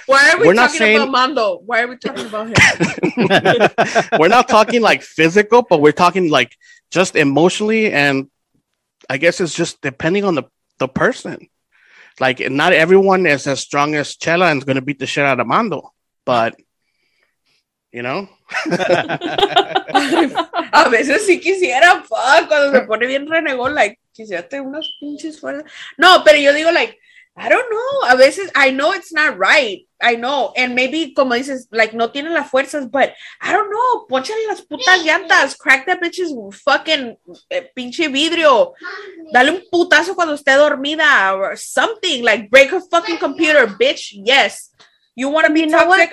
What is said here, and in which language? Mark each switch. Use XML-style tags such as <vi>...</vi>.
<en>why are we talking saying, about Mando? Why are we talking about him? We're not talking like physical, but we're talking like. Just emotionally, and I guess it's just depending on the person. Like, not everyone is as strong as Chela and is going to beat the shit out of Mando. But, you know?</en> <es>A veces sí quisiera, fuck, cuando se pone bien renegón, like, quisiera tener unos pinches fuera. No, pero yo digo, like,</es> <en>I don't know.</en> <es>A veces,</es> <en>I know it's not right. I know. And maybe,</en> <es>como dices,</es> <en>like,</en> <es>no tiene las fuerzas,</es> <en>but I don't know.</en> <es>Ponchale las putas llantas.</es> <en>Crack that bitch's fucking</en> <es>pinche vidrio. Dale un putazo cuando esté dormida</es> <en>or something. Like, break her fucking computer, bitch. Yes. You want to be toxic? What?</en>